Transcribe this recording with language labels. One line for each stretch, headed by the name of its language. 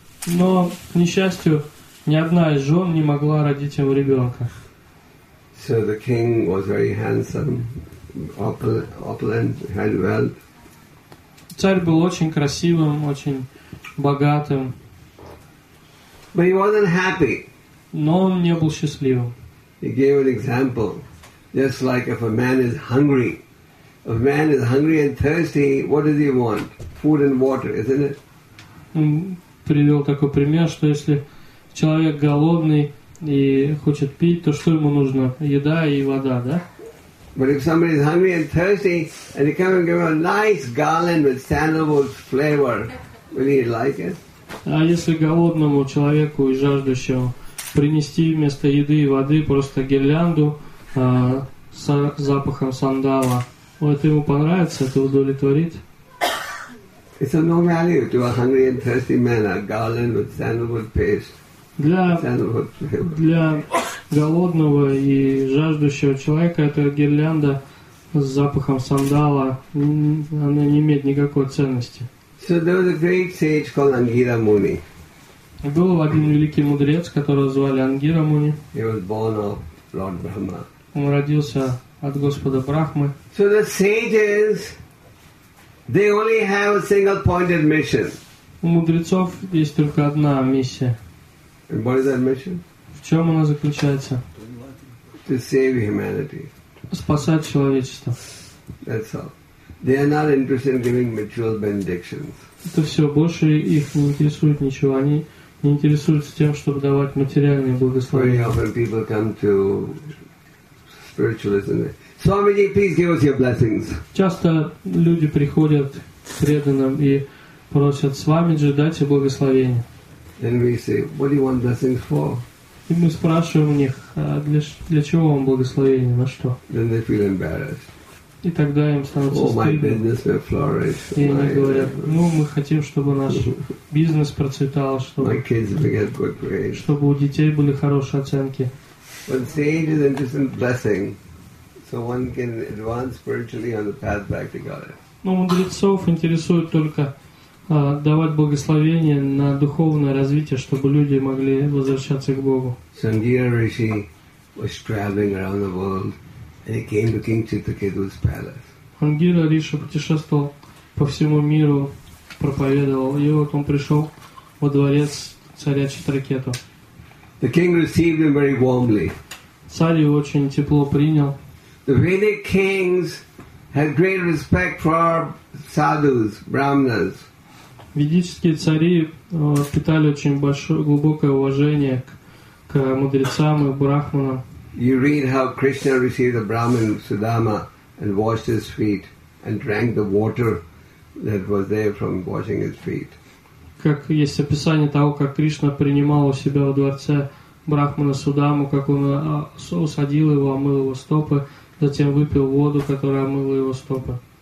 Russian: Но, к несчастью, ни одна из жен не могла родить ему ребенка.
English: So the king was very handsome, opulent, had wealth.
Russian: Царь был очень красивым, очень богатым.
English: But he wasn't happy.
Russian: Но он не был счастливым.
English: He gave an example, just like if a man is hungry. If a man is hungry and thirsty, what does he want? Food and water, isn't it?
Russian: Он привел такой пример, что если человек голодный и хочет пить, то что ему нужно? Еда и вода, да?
English: But if somebody is hungry and thirsty, and you come and give him a nice garland with sandalwood flavor, will he like it?
Russian: А если голодному человеку и жаждущему принести вместо еды и воды просто гирлянду с запахом сандала, вот ему понравится, это удовлетворит?
English: It's of no value to a hungry and thirsty man, a garland with sandalwood paste.
Russian: Для голодного и жаждущего человека эта гирлянда с запахом сандала, она не имеет никакой ценности.
English: So there was a great sage called Angira Muni.
Russian: Был один великий мудрец, которого звали Ангира Муни.
English: He was born of Lord Brahma.
Russian: Он родился от Господа Брахмы.
English: So the sages, they only have a single-pointed mission.
Russian: У мудрецов есть только одна миссия.
English: And what is that mission?
Russian: В чем она заключается?
English: To save humanity.
Russian: Спасать человечество.
English: That's all. They are not interested in giving material benedictions.
Russian: Это все. Больше их не интересует ничего. Они не интересуются тем, чтобы давать материальные благословения.
English: Very often people come to spiritualism. Swamiji, please give us your blessings.
Russian: Часто люди приходят к преданным и просят: Свамиджи, дайте благословение.
English: Then we say, what do you want blessings for?
Russian: И мы спрашиваем у них, для чего вам благословение, на что?
English: Then they feel embarrassed.
Russian: И тогда им становится стыдно.
English: Oh, my business will flourish.
Russian: И они говорят, мы хотим, чтобы наш бизнес процветал, чтобы у детей были хорошие оценки.
English: But sage is interested in blessing, so one can advance spiritually on the path back to God.
Russian: Но мудрецов интересует только давать благословение на духовное развитие, чтобы люди могли возвращаться к Богу.
English: Сангира Риши was traveling around the world and he came to King Chitraketu's palace.
Russian: Ангира Риши путешествовал по всему миру, проповедовал, и вот он пришел во дворец царя Читракету.
English: The king received him very warmly.
Russian: Царь его очень тепло принял.
English: The Vedic kings had great respect for sadhus, brahmanas.
Russian: Ведические цари питали очень большое, глубокое уважение к мудрецам и брахманам.
English: You read how Krishna received the Brahmin Sudama and washed his feet and drank the water that was there from washing his feet.
Russian: Как есть описание того, как Кришна принимал у себя во дворце брахмана Судаму, как он усадил его, омыл его стопы, затем выпил воду, которая омыла его стопы.